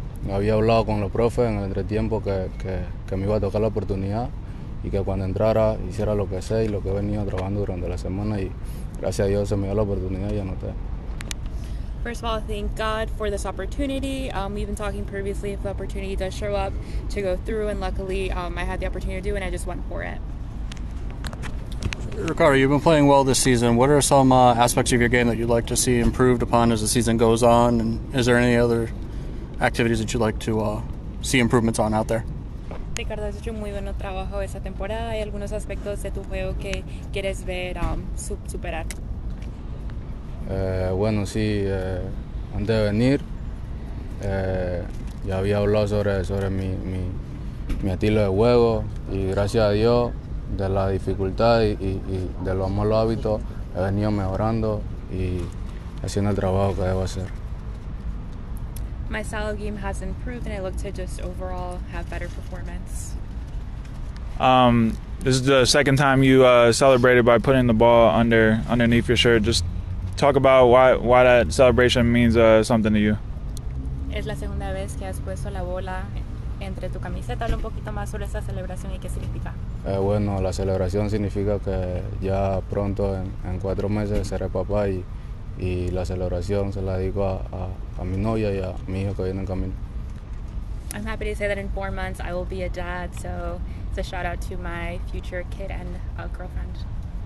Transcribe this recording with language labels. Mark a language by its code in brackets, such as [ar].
[es] Había hablado con los profes en el entretiempo que me iba a tocar la oportunidad y que cuando entrara hiciera lo que sé y lo que he venido trabajando durante la semana, y gracias a Dios se me dio la oportunidad y anoté. [en] First of all, thank God for this opportunity. We've been talking previously if the opportunity does show up to go through, and luckily I had the opportunity to do it and I just went for it. Ricardo, you've been playing well this season. What are some aspects of your game that you'd like to see improved upon as the season goes on? And is there any other activities that you'd like to see improvements on out there? [es] Ricardo, has hecho muy buen trabajo esta temporada. Hay algunos aspectos de tu juego que quieres ver superar. Bueno, sí, antes de venir ya había hablado sobre mi estilo de juego, y gracias a Dios de la dificultad y de los malos hábitos he venido mejorando y haciendo el trabajo que debo hacer. [en] My style of game has improved and I look to just overall have better performance. This is the second time you celebrated by putting the ball underneath your shirt. Just talk about why that celebration means something to you. [es] Es la segunda vez que has puesto la bola entre tu camiseta. Habla un poquito más sobre esa celebración y qué significa. Bueno, la celebración significa que ya pronto en 4 meses seré papá, y la celebración se la digo a mi novia y a mi hijo que viene en camino. [en] I'm happy to say that in 4 months I will be a dad, so it's a shout out to my future kid and girlfriend.